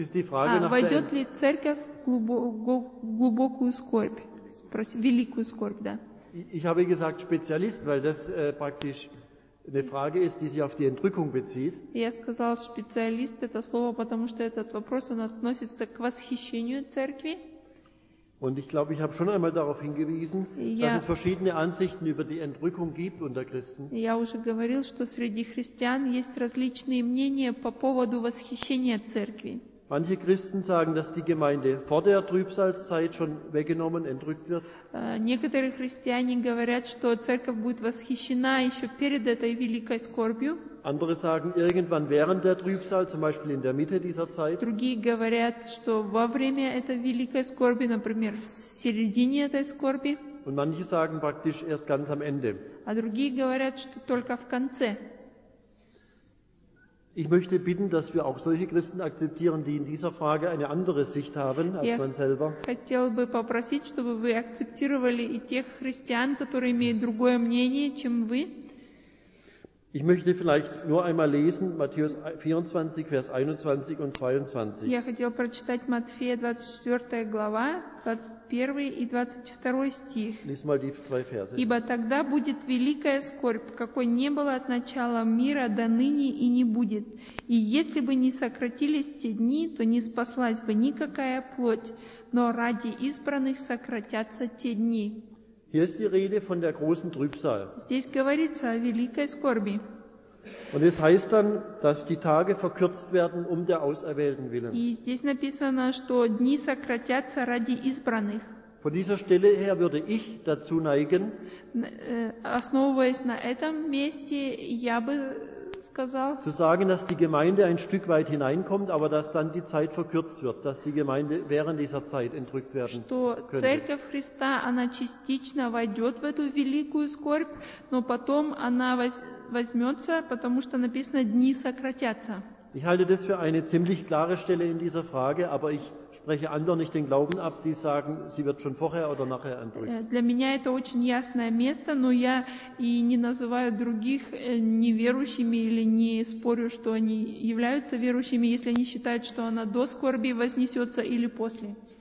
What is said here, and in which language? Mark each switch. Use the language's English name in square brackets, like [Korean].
[Russian] Войдет ли церковь глубокую скорбь, великую скорбь, да. [German] Ich habe gesagt Spezialist, weil das praktisch eine Frage ist, die sich auf die Entrückung bezieht. [Russian] Я сказал специалист это слово, потому что этот вопрос он относится к восхищению церкви. [German] Und ich glaube, ich habe schon einmal darauf hingewiesen, dass es verschiedene Ansichten über die Entrückung gibt unter Christen. [Russian] Я уже говорил, что среди христиан есть различные мнения по поводу восхищения церкви. [German] Manche Christen sagen, dass die Gemeinde vor der Trübsalzeit schon weggenommen, entrückt wird. [Russian] Некоторые христиане говорят, что церковь будет восхищена еще перед этой великой скорбью. [German] Andere sagen, irgendwann während der Trübsal, zum Beispiel in der Mitte dieser Zeit. [Russian] Другие говорят, что во время этой великой скорби, например, в середине этой скорби. [German] Und manche sagen praktisch erst ganz am Ende. [Russian] А другие говорят, что только в конце. [German] Ich möchte bitten, dass wir auch solche Christen akzeptieren, die in dieser Frage eine andere Sicht haben als man selber. [Russian] Я хотел бы попросить, чтобы вы акцептировали и тех христиан, которые имеют другое мнение, чем вы. [German] Ich möchte vielleicht nur einmal lesen Matthäus 24, Vers 21 und 22. [Russian] Я хотел прочитать Матфея 24 глава, 21 и 22 стих. [German] Lies mal die zwei Verse. [Russian] Ибо тогда будет великая скорбь, какой не было от начала мира до ныне и не будет. И если бы не сократились те дни, то не спаслась бы никакая плоть, но ради избранных сократятся те дни. [German] Hier ist die Rede von der großen Trübsal. [Russian] Здесь говорится о великой скорби. [German] Und es heißt dann, dass die Tage verkürzt werden um der Auserwählten willen. [Russian] И здесь написано, что дни сократятся ради избранных. [German] Von dieser Stelle her würde ich dazu neigen. [Russian] Основываясь на этом месте, я бы сказал. [German] Zu sagen, dass die Gemeinde ein Stück weit hineinkommt, aber dass dann die Zeit verkürzt wird, dass die Gemeinde während dieser Zeit entrückt werden könnte. [Russian] Что Церковь Христа она частично войдет в эту великую скорбь, но потом она возьмется, потому что написано дни сократятся. [German] Ich halte das für eine ziemlich klare Stelle in dieser Frage, aber ich spreche anderen nicht den Glauben ab, die sagen, sie wird schon vorher oder nachher entrückt. [Russian] Для меня это очень ясное место, но я и не называю других неверующими или не спорю, что они являются верующими, если они считают, что она до скорби вознесется или после.